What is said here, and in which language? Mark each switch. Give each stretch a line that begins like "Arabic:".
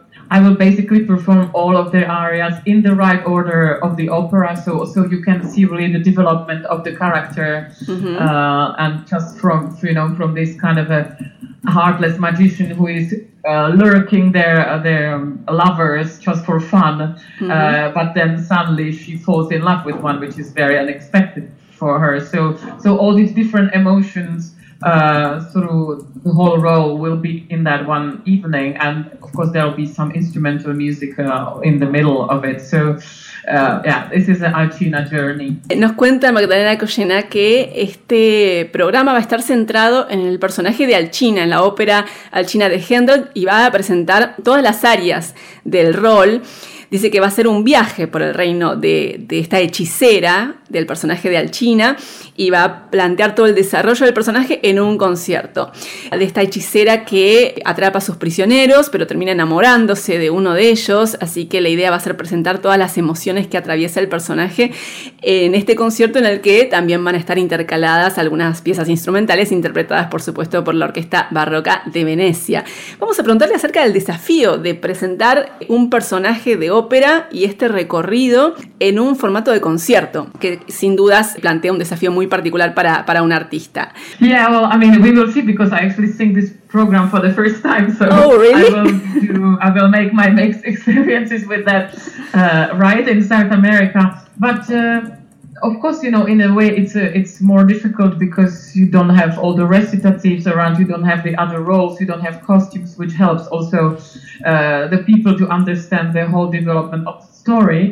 English: I will basically perform all of their arias in the right order of the opera, so you can see really the development of the character, and just from, you know, from this kind of a heartless magician who is lurking their lovers just for fun, but then suddenly she falls in love with one, which is very unexpected for her. So all these different emotions through the whole role will be in that one evening, and of course there will be some instrumental music in the middle of it. So this is an Alcina journey.
Spanish: Nos cuenta Magdalena Collená que este programa va a estar centrado en el personaje de Alcina, en la ópera Alcina de Händel, y va a presentar todas las arias del rol. Dice que va a ser un viaje por el reino de esta hechicera, del personaje de Alcina, y va a plantear todo el desarrollo del personaje en un concierto. De esta hechicera que atrapa a sus prisioneros, pero termina enamorándose de uno de ellos, así que la idea va a ser presentar todas las emociones que atraviesa el personaje en este concierto, en el que también van a estar intercaladas algunas piezas instrumentales, interpretadas, por supuesto, por la Orquesta Barroca de Venecia. Vamos a preguntarle acerca del desafío de presentar un personaje de ópera y este recorrido en un formato de concierto, que sin dudas plantea un desafío muy particular para un artista.
English: Yeah, well, I mean, we will see because I actually sing this program for the first time, so oh, really? I will make my mixed experiences with that right in South America. But of course, you know, in a way, it's more difficult because you don't have all the recitatives around, you don't have the other roles, you don't have costumes, which helps also the people to understand the whole development of the story.